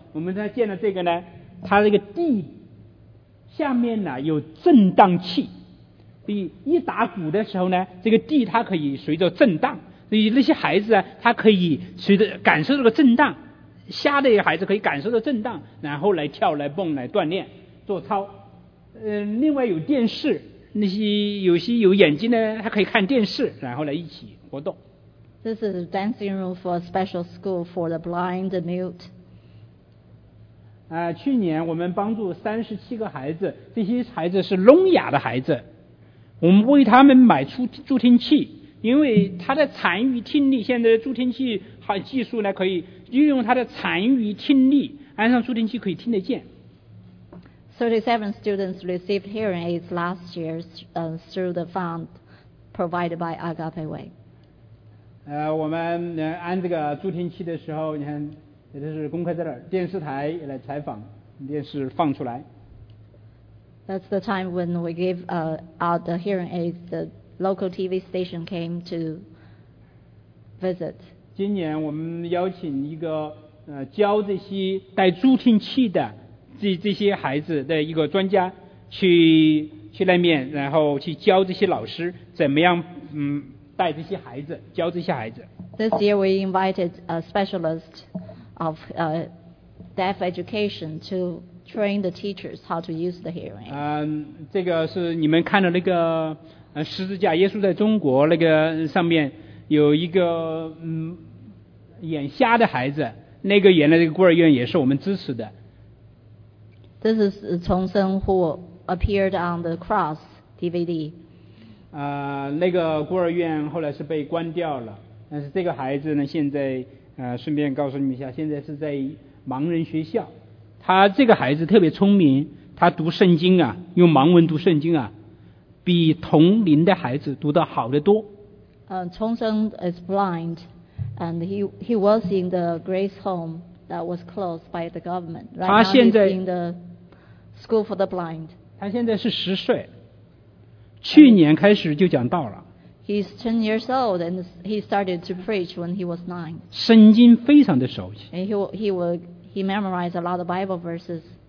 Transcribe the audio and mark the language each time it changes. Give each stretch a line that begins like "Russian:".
Chinese: 我们在建的这个呢，它这个地下面呢有震荡器，所以一打鼓的时候呢，这个地它可以随着震荡，所以那些孩子啊，他可以随着感受这个震荡，瞎的孩子可以感受到震荡，然后来跳、来蹦、来锻炼、做操。另外有电视，那些有些有眼睛的他可以看电视，然后来一起活动。
English: This is a dancing room for a special school for the blind and mute.
Chinese: 去年我们帮助37个孩子，这些孩子是聋哑的孩子，我们为他们买助听器，因为他的残余听力，现在助听器好技术呢，可以运用他的残余听力，安上助听器可以听得见。
English: 37 students received hearing aids last year through the fund provided by Agape Way.
Chinese: 我们安这个助听器的时候，你看，这是公开在这儿，电视台也来采访，电视放出来。
English: That's the time when we gave out the hearing aids. The local TV station came to visit.
Chinese: 今年我们邀请一个教这些带助听器的。这些孩子的一个专家去那面，然后去教这些老师怎么样带这些孩子，教这些孩子。
English: This year we invited a specialist of deaf education to train the teachers how to use the hearing.
Chinese: 这个是你们看的那个十字架，耶稣在中国那个上面有一个眼瞎的孩子，那个原来这个孤儿院也是我们支持的。
English: This is Chong Sen who appeared on the cross DVD.
Chinese: 那个孤儿院后来是被关掉了，但是这个孩子呢，现在顺便告诉你们一下，现在是在盲人学校。他这个孩子特别聪明，他读圣经啊，用盲文读圣经啊，比同龄的孩子读得好得多。
English: Chong Sheng is blind, and he was in the grace home that was closed by the government. Right now, he's in the school for the blind.
Chinese: 他现在是十岁，去年开始就讲道了。
English: He's 10 years old and he started to preach when he was 9.
Chinese: 圣经非常的熟悉。
English: And he memorized a lot of Bible verses.